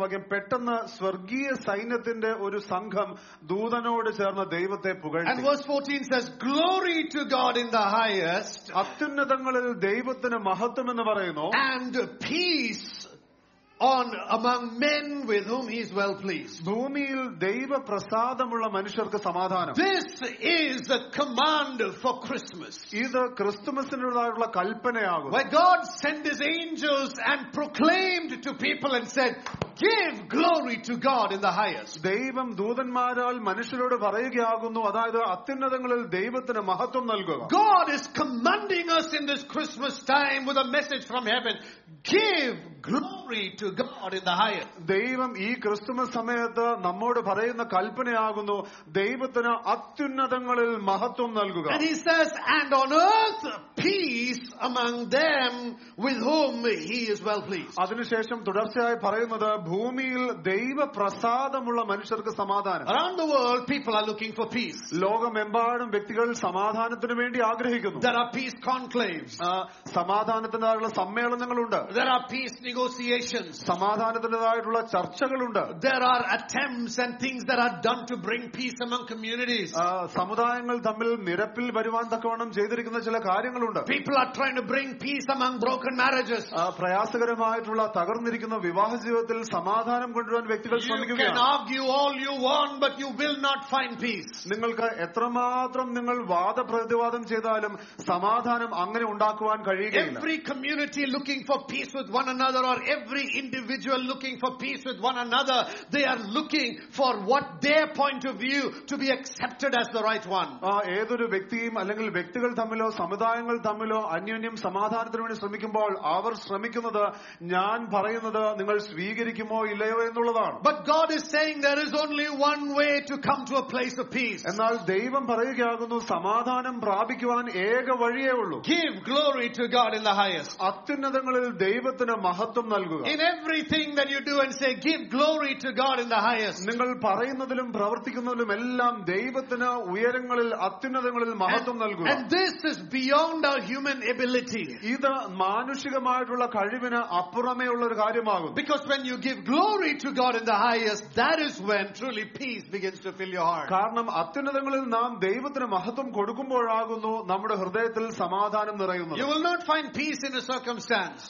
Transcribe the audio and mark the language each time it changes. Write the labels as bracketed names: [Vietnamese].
[Malayalam] വാക്യം, പെട്ടെന്ന് സ്വർഗീയ സൈന്യത്തിന്റെ ഒരു സംഘം ദൂതനോട് ചേർന്ന് ദൈവത്തെ പുകഴ്ത്തി. [English] And verse 14 says, glory to God in the highest. [Malayalam] അത്യുന്നതങ്ങളിൽ ദൈവത്തിന് മഹത്വം എന്ന് പറയുന്നു. [English] And peace on among men with whom he is well pleased. [Malayalam] ഭൂമിയിൽ ദൈവപ്രസാദമുള്ള മനുഷ്യർക്ക് സമാധാനം. [English] This is a command for Christmas. [Malayalam] ഇത് ക്രിസ്തുമസിനുള്ള കൽപ്പനയാകുന്നു. [English] Where God sent his angels and proclaimed to people and said, give glory to God in the highest. [Malayalam] ദൈവം ദൂതന്മാരാൽ മനുഷ്യരോട് പറയുകയാകുന്നു, അതായത് അത്യുന്നതങ്ങളിൽ ദൈവത്തിന് മഹത്വം നൽകുക. [English] God is commanding us in this Christmas time with a message from heaven. Give glory to God in the highest. [Malayalam] ദൈവം ഈ Christmas സമയത്ത് നമ്മോട് പറയുന്ന കൽപ്പനയാകുന്നു, ദൈവത്തിന് അത്യുന്നതങ്ങളിൽ മഹത്വം നൽകുക. [English] And he says, and on earth peace among them with whom he is well pleased. [Malayalam] അതിനുശേഷം തുടർച്ചയായി പറയുന്നത് ഭൂമിയിൽ ദൈവപ്രസാദമുള്ള മനുഷ്യർക്ക് സമാധാനം. [English] Around the world people are looking for peace. [Malayalam] ലോകമെമ്പാടും വ്യക്തികൾ സമാധാനത്തിന് വേണ്ടി ആഗ്രഹിക്കുന്നു. [English] There are peace conclaves. [Malayalam] സമാധാനത്തിനായുള്ള സമ്മേളനങ്ങളുണ്ട്. [English] There are peace negotiations. [Malayalam] സമാധാനത്തിനായുള്ള ചർച്ചകളുണ്ട്. [English] There are attempts and things that are done to bring peace among communities. [Malayalam] സമുദായങ്ങൾ തമ്മിൽ നിരപ്പിൽ വരുവാൻ തക്കവണ്ണം ചെയ്തിരിക്കുന്ന ചില കാര്യങ്ങളുണ്ട്. [English] People are trying to bring peace among broken marriages. [Malayalam] പ്രയാസകരമായിട്ടുള്ള തകർന്നിരിക്കുന്ന വിവാഹ ജീവിതത്തിൽ സമാധാനം കൊണ്ടുവരാൻ വ്യക്തികൾ ശ്രമിക്കുകയാണ്. [English] You can argue all you want, but you will not find peace. [Malayalam] നിങ്ങൾക്ക് എത്രമാത്രം നിങ്ങൾ വാദപ്രതിവാദം ചെയ്താലും സമാധാനം അങ്ങനെ ഉണ്ടാക്കുവാൻ കഴിയുകയില്ല. [English] Every community looking for peace with one another, or every individual looking for peace with one another, they are looking for what their point of view to be accepted as the right one. [Malayalam] ഏതൊരു വ്യക്തിയും അല്ലെങ്കിൽ വ്യക്തികൾ തമ്മിലോ സമുദായങ്ങൾ തമ്മിലോ അന്യോന്യം സമാധാനത്തിന് വേണ്ടി ശ്രമിക്കുമ്പോൾ അവർ ശ്രമിക്കുന്നത് ഞാൻ പറയുന്നത് നിങ്ങൾ സ്വീകരിക്കുമോ ഇല്ലയോ എന്നുള്ളതാണ്. [English] But God is saying there is only one way to come to a place of peace. [Malayalam] എന്നാൽ ദൈവം പറയുകയാകുന്നു സമാധാനം പ്രാപിക്കുവാൻ ഏക വഴിയേ ഉള്ളൂ. [English] Give glory to God in the highest. [Malayalam] അത്യുന്നതങ്ങളിൽ ദൈവത്തിന് മഹത്വം നൽകുക. [English] In everything that you do and say, give glory to God in the highest. [Malayalam] നിങ്ങൾ പറയുന്നതിലും പ്രവർത്തിക്കുന്നതിലും എല്ലാം ദൈവത്തിന് ഉയരങ്ങളിൽ അത്യുന്നതങ്ങളിൽ മഹത്വം നൽകുക. [English] And this is beyond our human ability. Because when you give glory to God in the highest, that is when truly peace begins to fill your heart. You will not find peace in a circumstance.